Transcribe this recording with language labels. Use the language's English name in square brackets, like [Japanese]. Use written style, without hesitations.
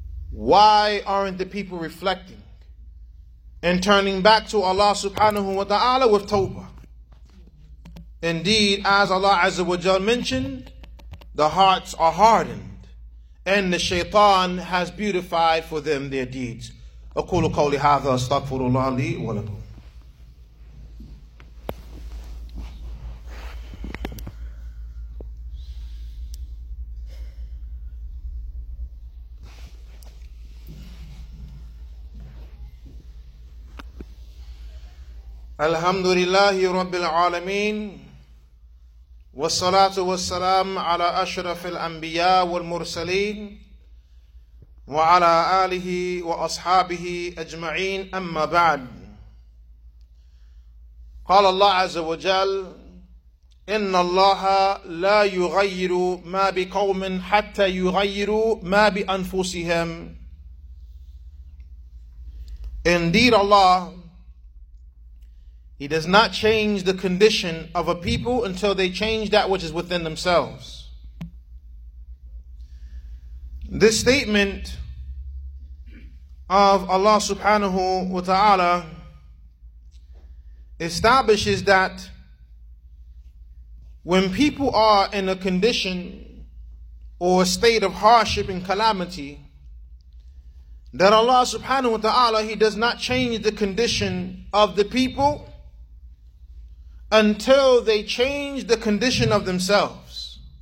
[English] Why aren't the people reflecting and turning back to Allah subhanahu wa ta'ala with tawbah? Indeed, as Allah azza wa jal mentioned, the hearts are hardened and the shaitan has beautified for them their deeds. [Arabic] أقول قولي هذا استغفر الله لي ولكم. الحمد لله رب العالمين والصلاة والسلام على أشرف الأنبياء والمرسلين وعلى آله وأصحابه أجمعين أما بعد قال الله عز وجل إن الله لا يغير ما بقوم حتى يغيروا ما بأنفسهم. [English] Indeed Allah, He does not change the condition of a people until they change that which is within themselves. This statement of Allah subhanahu wa ta'ala establishes that when people are in a condition or a state of hardship and calamity, that Allah subhanahu wa ta'ala, He does not change the condition of the people until they change the condition of themselves.